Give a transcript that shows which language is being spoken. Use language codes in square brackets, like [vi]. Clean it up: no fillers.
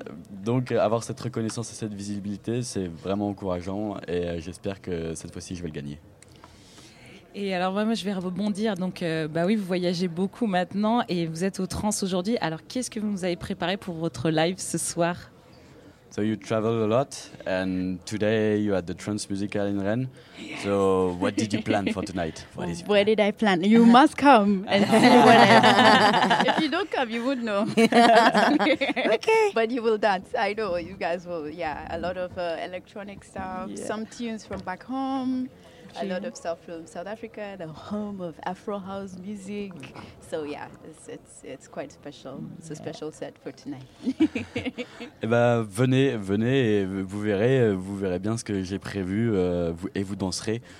[fr] Donc, avoir cette reconnaissance et cette visibilité, c'est vraiment encourageant, et j'espère que cette fois-ci, je vais le gagner. Et alors moi je vais rebondir, donc vous voyagez beaucoup maintenant et vous êtes au Trans aujourd'hui, alors qu'est-ce que vous nous avez préparé pour votre live ce soir? [en] So you traveled a lot, and today you had the Trance Musicale in Rennes. Yes. So what did you plan for tonight? What did I plan? You must come and see what I have. If you don't come, you would know. Okay. But you will dance. I know you guys will. Yeah, a lot of electronic stuff, yeah. Some tunes from back home. A lot of stuff from South Africa, the home of Afro House music. So yeah, it's quite special. It's a special set for tonight. [fr] Eh ben venez et vous verrez bien ce que j'ai prévu vous danserez.